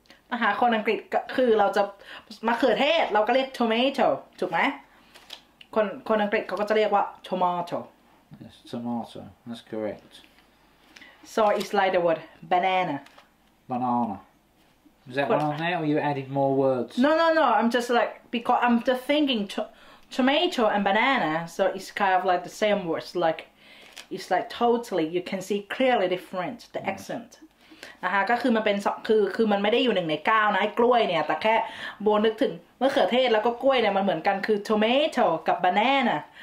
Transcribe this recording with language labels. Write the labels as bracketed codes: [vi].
[th] มาหาคนอังกฤษคือเราจะมะเขือเทศเราก็เรียก tomato ถูกไหมคนอังกฤษเขาก็จะเรียกว่า tomato. [en] Yes, tomato. That's correct. So it's like the word banana. Banana. Is that one on there, or are you adding more words? No, no, no. I'm just like because I'm just thinking tomato and banana. So it's kind of like the same words. Like it's like totally you can see clearly different the yes. accent. [th] นะคะก็คือมันเป็นคือมันไม่ได้อยู่หนึ่งในเก้านะไอ้กล้วยเนี่ยแต่แค่โบนึกถึงมะเขือเทศแล้วก็กล้วยเนี่ยมันเหมือนกันคือ tomato กับ banana.